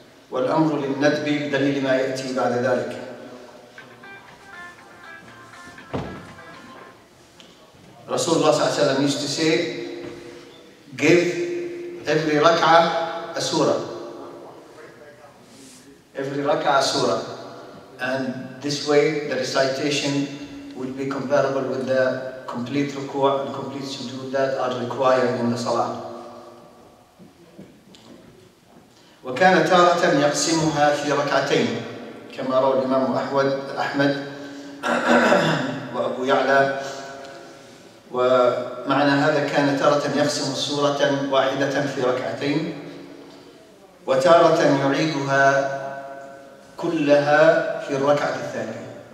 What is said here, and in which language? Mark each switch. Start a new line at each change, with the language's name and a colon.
Arabic: والأمر للندب بدليل ما يأتي بعد ذلك.
English: رسول الله صلى الله عليه وسلم used to say, give every ركعة a surah. Every ركعة a surah. And this way, the recitation will be comparable with the complete ruku' and complete sujood that are required in the salah.
Arabic: وكان تارة يقسمها في ركعتين كما روى الإمام أحمد وأبو يعلى. ومعنى هذا كان تارة يقسم سورة واحدة في ركعتين وتارة يعيدها كلها في الركعة الثانية.